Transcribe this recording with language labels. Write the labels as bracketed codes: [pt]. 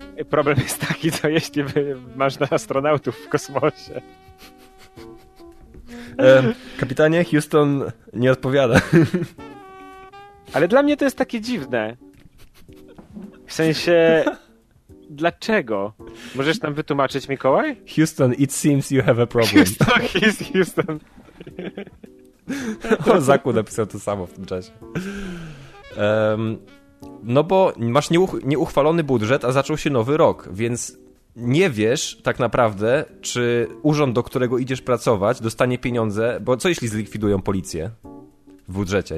[pl] Problem jest taki, co jeśli masz na astronautów w kosmosie. Kapitanie, Houston nie odpowiada. Ale dla mnie to jest takie dziwne. W sensie, dlaczego? Możesz nam wytłumaczyć, Mikołaj? [en] Houston, it seems you have a problem. Houston. [pl] Zaku napisał to samo w tym czasie. No bo masz nieuchwalony budżet, a zaczął się nowy rok, więc nie wiesz tak naprawdę, czy urząd, do którego idziesz pracować, dostanie pieniądze, bo co jeśli zlikwidują policję w budżecie?